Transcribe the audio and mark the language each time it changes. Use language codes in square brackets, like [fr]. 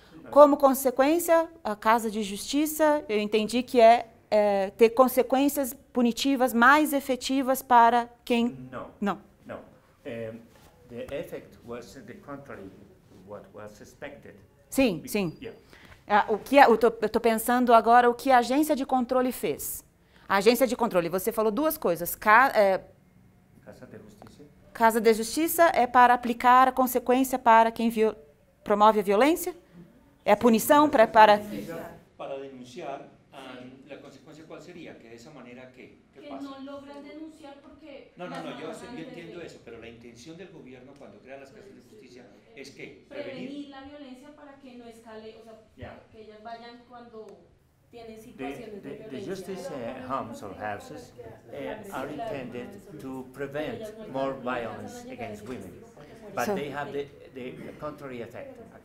[pt] Como consequência, a Casa de Justiça, eu entendi que é ter consequências punitivas mais efetivas para quem... Não. [en] The effect was the contrary of what was suspected. [pt] Sim. Yeah. Eu tô pensando agora o que a agência de controle fez. A agência de controle, você falou duas coisas. Casa de Justiça. Casa de Justiça é para aplicar a consequência para quem promove a violência? É a punição para... Para denunciar, a consequência qual seria? Que dessa maneira que? Que não logram denunciar porque... Não, eu entendo isso, mas a intenção do governo quando cria as casas de justiça é que? Prevenir a violência para que não escale, ou seja, que elas vayan quando... [en] The justice homes or houses are intended to prevent more violence against women, but so they have the contrary effect.